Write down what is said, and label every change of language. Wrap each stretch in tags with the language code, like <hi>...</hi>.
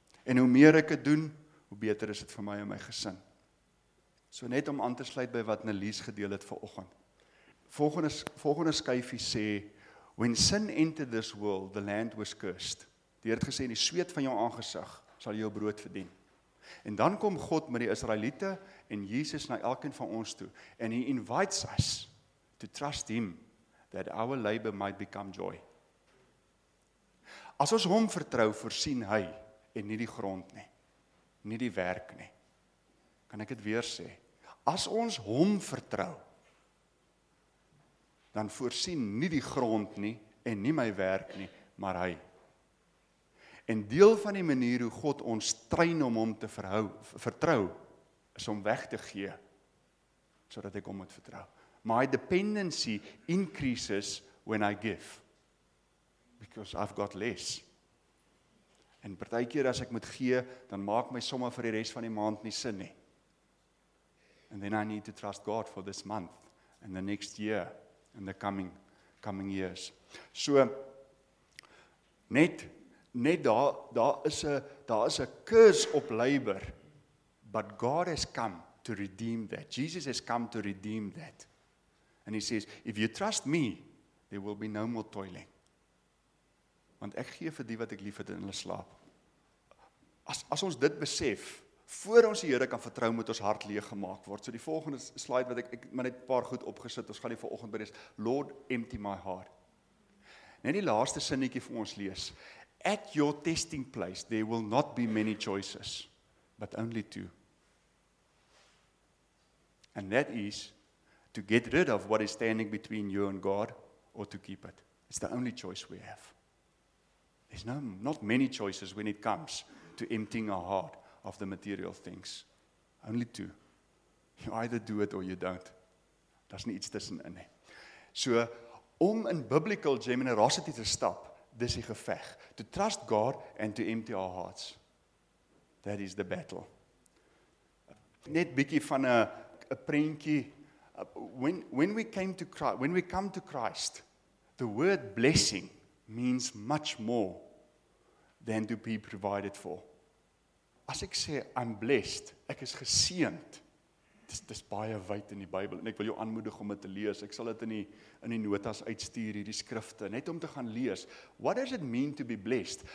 <af>En hoe meer ek het doen, hoe beter is het vir my en my gesin. So net om aan te sluit by wat Nelies gedeel het vir oggend. Volgende skyfie sê,</af> <en>when sin entered this world, the land was cursed.</en> <af>Die Heer het gesê, die sweet van jou aangesig sal jou brood verdien. En dan kom God met die Israeliete en Jesus na elkeen van ons toe.</af> <en>And he invites us to trust him, that our labor might become joy.</en> <af>As ons hom vertrou, voorsien hy, en nie die grond nie, nie die werk nie. Kan ek het weer sê, as ons hom vertrou, dan voorsien nie die grond nie, en nie my werk nie, maar hy. En deel van die manier hoe God ons train om hom te vertrou, is om weg te gee, sodat ek hom moet vertrou.</af> <en>My dependency increases when I give, because I've got less.</en> <af>En partykeer as ek moet gee, dan maak my somme vir die res van die maand nie sin nie.</af> <en>And then I need to trust God for this month, and the next year, in the coming years.</en> <af>So, net daar is</af> <en>a curse op labor, but God has come to redeem that. Jesus has come to redeem that. And he says, if you trust me, there will be no more toiling.</en> <af>Want ek gee vir die wat ek lief het in hulle slaap. As ons dit besef, voor ons die Here kan vertrou, moet ons hart leeg gemaak word. So die volgende slide, wat ek maar net paar goed opgesit, ons gaan die vanoggend bid, is</af> <en>Lord, empty my heart.</en> <af>Net die laaste sinnetjie vir ons lees.</af> <en>At your testing place, there will not be many choices, but only two. And that is, to get rid of what is standing between you and God, or to keep it. It's the only choice we have. There's not many choices when it comes to emptying our heart of the material things. Only two. You either do it or you don't.</en> <af>Daar's nie iets tussenin nie. So, om in biblical generosity te stap, dis die geveg.</af> <en>To trust God and to empty our hearts. That is the battle.</en> <af>Net bietjie van 'n prentjie.</af> <en>When we come to Christ, the word blessing means much more than to be provided for.</en> <af>As ek sê,</af> <en>I'm blessed,</en> <af>ek is geseend, dis baie wyd in die Bybel, en ek wil jou aanmoedig om dit te lees, ek sal dit in die notas uitstuur, hierdie skrifte, net om te gaan lees,</af> <en>what does it mean to be blessed?</en>